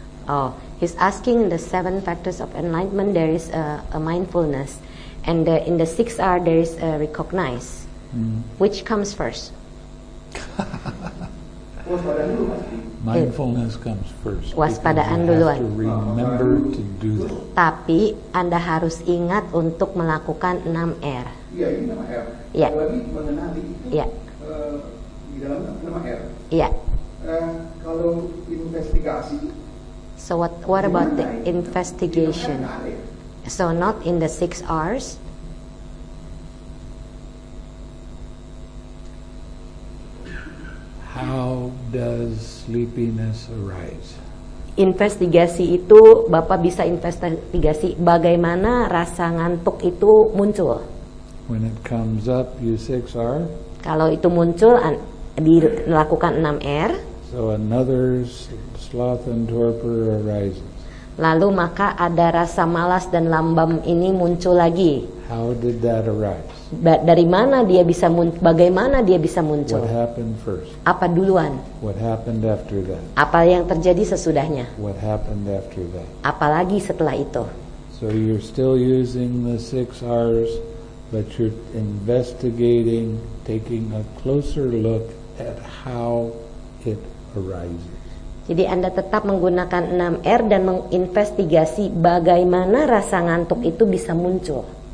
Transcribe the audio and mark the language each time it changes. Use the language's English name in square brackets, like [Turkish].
[English] Oh, he's asking in the seven factors of enlightenment there is a mindfulness, and in the six R there is a recognize. Which comes first? [Indonesian] Kewaspadaan dulu pasti. [English] Mindfulness comes first. [Indonesian] Waspadaan duluan. [English] To remember to do that. [Indonesian] Tapi Anda harus ingat untuk melakukan 6R. Iya, ini 6R. Iya. Kalau ini mengenali itu di dalam 6R. Iya. Kalau investigasi. [English] So what about the investigation? So not in the 6Rs. How does sleepiness arise? [Indonesian] Investigasi itu, Bapak bisa investigasi bagaimana rasa ngantuk itu muncul. [English] When it comes up, you 6R. [Indonesian] Kalau itu muncul, dilakukan 6R. [English] So another sloth and torpor arises. [Indonesian] Lalu maka ada rasa malas dan lambam ini muncul lagi. [English] How did that arise? [Indonesian] Dari mana dia bisa muncul? Bagaimana dia bisa muncul? [English] What happened first? [Indonesian] Apa duluan? [English] What happened after that? [Indonesian] Apa yang terjadi sesudahnya? [English] What happened after that? [Indonesian] Apalagi setelah itu? [English] So you're still using the 6 R's, but you're investigating, taking a closer look at how it arises. [Indonesian] Jadi Anda tetap menggunakan 6R dan menginvestigasi bagaimana rasa ngantuk itu bisa muncul.